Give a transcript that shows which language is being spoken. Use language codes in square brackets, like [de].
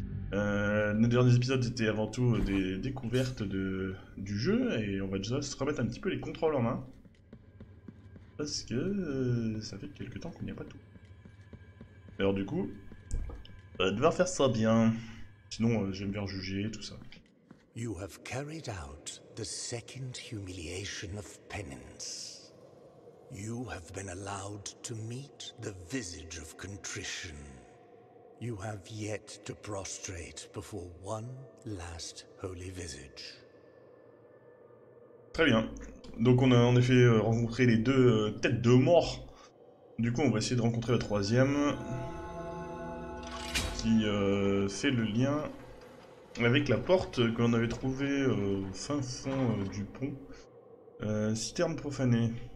[fr] Nos derniers épisodes étaient avant tout des découvertes du jeu et on va déjà se remettre un petit peu les contrôles en main. Parce que ça fait quelques temps qu'on n'y a pas tout. Alors du coup, on va devoir faire ça bien. Sinon, je vais me faire juger, tout ça. [en] You have carried out the second humiliation of penance. You have been allowed to meet the visage of contrition. You have yet to prostrate before one last holy visage. [fr] Très bien. Donc on a en effet rencontré les deux têtes de mort. Du coup, on va essayer de rencontrer la troisième, qui fait le lien avec la porte qu'on avait trouvée au fin fond du pont. Citerne profanée.